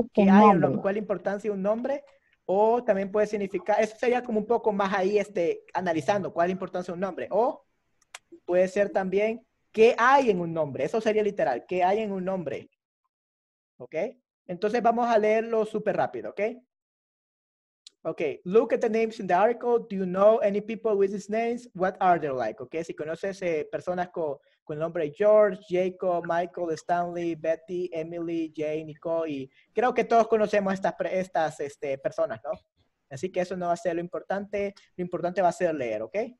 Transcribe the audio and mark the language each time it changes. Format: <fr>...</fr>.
<es>¿Qué hay en un nombre? ¿Cuál es la importancia de un nombre? O también puede significar, eso sería como un poco más ahí analizando cuál es la importancia de un nombre. O puede ser también, ¿qué hay en un nombre? Eso sería literal, ¿qué hay en un nombre? ¿Ok? Entonces vamos a leerlo súper rápido, ¿ok?</es> <en>Ok, look at the names in the article. Do you know any people with these names? What are they like? ¿Ok?</en> <es>Si conoces personas con el nombre George, Jacob, Michael, Stanley, Betty, Emily, Jane, Nicole, y creo que todos conocemos estas personas, ¿no? Así que eso no va a ser lo importante va a ser leer, ¿ok?</es>